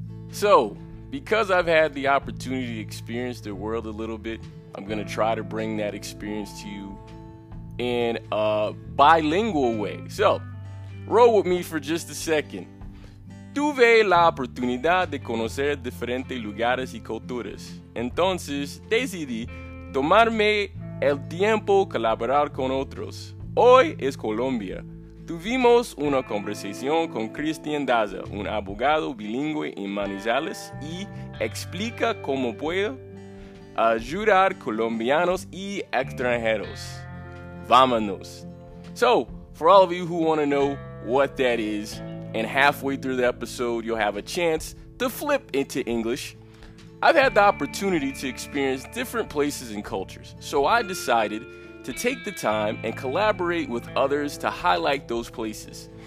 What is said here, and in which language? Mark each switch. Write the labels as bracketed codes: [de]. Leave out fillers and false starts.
[en] So, because I've had the opportunity to experience their world a little bit, I'm going to try to bring that experience to you in a bilingual way. So, roll with me for just a second. [es] Tuve la oportunidad de conocer diferentes lugares y culturas. Entonces, decidí tomarme el tiempo de colaborar con otros. Hoy es Colombia. Tuvimos una conversación con Cristian Daza, un abogado bilingüe en Manizales, y explica cómo puede ayudar colombianos y extranjeros. Vámonos. [en] So, for all of you who want to know what that is, and halfway through the episode, you'll have a chance to flip into English. I've had the opportunity to experience different places and cultures, so I decided to take the time and collaborate with others to highlight those places.